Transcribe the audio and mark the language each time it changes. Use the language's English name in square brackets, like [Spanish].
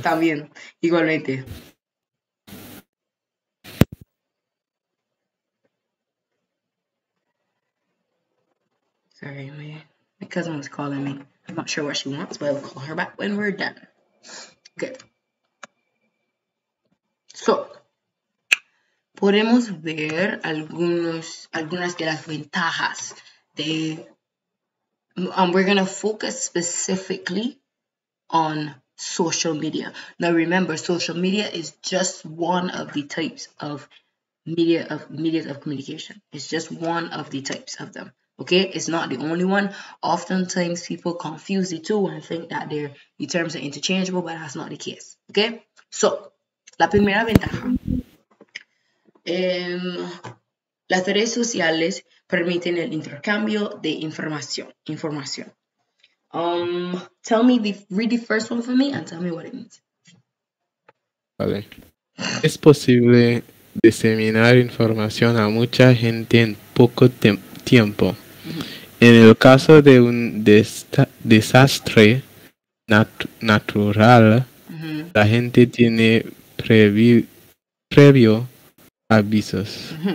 [Spanish] También, igualmente. [English] Sorry, my cousin was calling me. I'm not sure what she wants, but I'll call her back when we're done. Good. [Spanish] So, podemos ver algunas de las ventajas de... [English] we're going to focus specifically on social media. Now, remember, social media is just one of the types of media of communication. It's just one of the types of them. Okay, it's not the only one. Oftentimes, people confuse the two and think that the terms are interchangeable, but that's not the case. [Spanish] Okay, so la primera ventaja. Las redes sociales permiten el intercambio de información. [English] Read the first one for me and tell me what it means. [Spanish] Vale. Es posible diseminar información a mucha gente en poco tiempo. En el caso de un desastre natural, la gente tiene previo avisos.